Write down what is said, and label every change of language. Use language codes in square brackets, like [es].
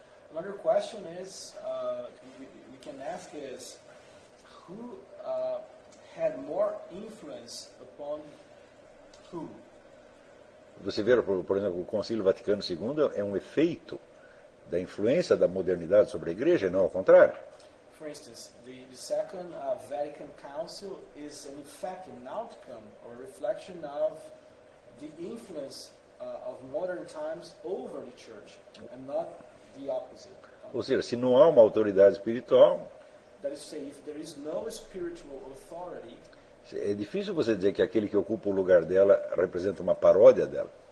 [en] Another question is, we can ask is, who had more influence upon who? [pt] Você vê, por exemplo, o Concílio Vaticano II é um efeito da influência da modernidade sobre a Igreja, não ao contrário. [en] For instance, the Second Vatican Council is an effect, an outcome, or a reflection of the influence of modern times over the Church, and not the opposite. [pt] Ou seja, se não há uma autoridade espiritual, [en] that is to say, if there is no spiritual authority, [pt] é difícil você dizer que aquele que ocupa o lugar dela representa uma paródia dela.